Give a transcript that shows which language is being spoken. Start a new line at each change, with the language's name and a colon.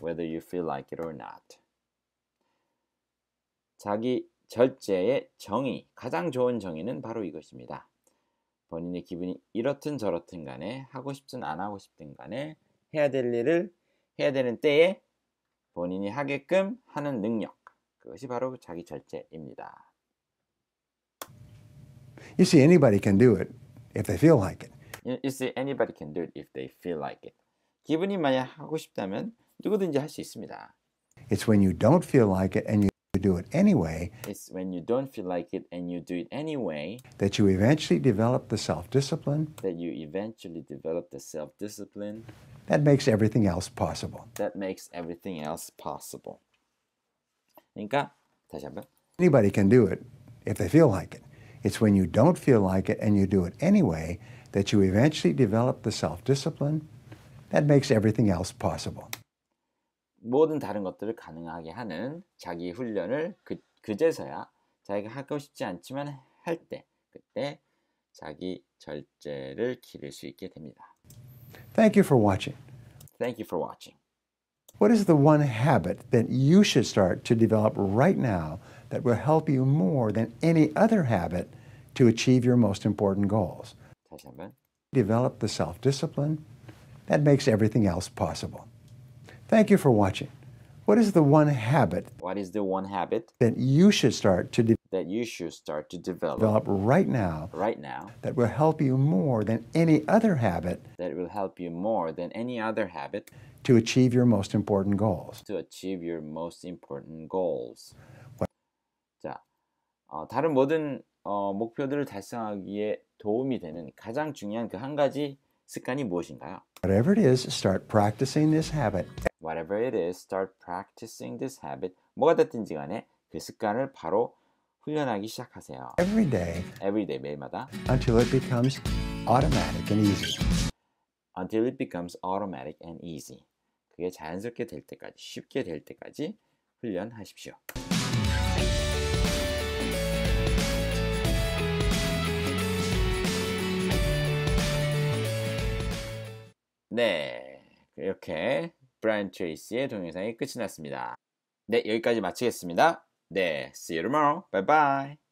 English: whether you feel like it or not
Korean: 자기 절제의 정의 가장 좋은 정의는 바로 이것입니다. 본인의 기분이 이렇든 저렇든 간에 하고 싶든 안 하고 싶든 간에 해야 될 일을 해야 되는 때에 본인이 하게끔 하는 능력 그것이 바로 자기 절제입니다.
English: You see, anybody can do it if they feel like it. You see, anybody can do it if they feel like it.
Korean: 기분이 만약 하고 싶다면 누구든지 할 수 있습니다.
English: It's when you don't feel like it and you do it anyway it's when you don't feel like it and you do it anyway that you eventually develop the self-discipline that you eventually develop the self-discipline that makes everything else possible that makes everything else possible
Korean: 그러니까 다시 한번
English: anybody can do it if they feel like it it's when you don't feel like it and you do it anyway that you eventually develop the self-discipline that makes everything else possible
Korean: 모든 다른 것들을 가능하게 하는 자기 훈련을 그제서야 자기가 하고 싶지 않지만 할 때 그때 자기 절제를 기를 수 있게 됩니다.
English: Thank you for watching. Thank you for watching. What is the one habit that you should start to develop right now that will help you more than any other habit to achieve your most important goals?
Korean: 다시 한번.
English: Develop the self-discipline that makes everything else possible. Thank you for watching. What is the one habit? What is the one habit that you should start to that you should start to develop, right now? Right now. That will help you more than any other habit. That will help you more than any other habit to achieve your most important goals. To achieve your most important goals. What?
Korean: 자, 다른 모든 목표들을 달성하기에 도움이 되는 가장 중요한 그 한 가지 습관이 무엇인가요?
English: Whatever it is, start practicing this habit. Whatever it is, start practicing this habit.
Korean: 뭐가 됐든지 간에 그 습관을 바로 훈련하기 시작하세요.
English: Every day. Every day,
Korean: 매일마다.
English: Until it becomes automatic and easy. Until it becomes automatic and easy.
Korean: 그게 자연스럽게 될 때까지, 쉽게 될 때까지 훈련하십시오. 네, 이렇게 브라이언 트레이시의 동영상이 끝이 났습니다. 네, 여기까지 마치겠습니다. 네,
English: see you tomorrow. Bye bye.